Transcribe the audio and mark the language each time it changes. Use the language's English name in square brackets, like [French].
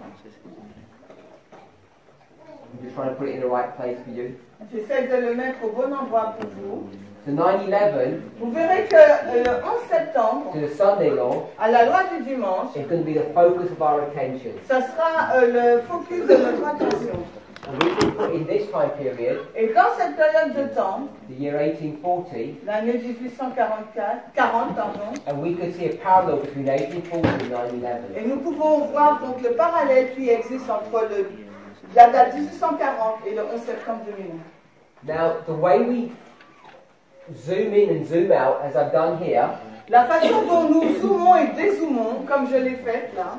[English] I'm just trying to put it in the right place for you. [French] J'essaie de le mettre au bon endroit pour vous. [English] The 9/11. [French] Vous verrez que le 11 septembre. [English] To the Sunday law. [French] À la loi du dimanche. [English] It's going to be the focus of our attention. [French] Ça sera le focus de notre attention. [English] In this time period. [French] Et dans cette période de temps. [English] The year 1840. [French] L'année 1844. [English] And we could see a parallel between 1840 and 9/11. [French] Et nous pouvons voir donc le parallèle qui existe entre le la date 1840 et le 11 septembre 2001. [English] Now the way we zoom in and zoom out, as I've done here. [French] La façon dont nous zoomons et dézoomons, comme je l'ai fait là.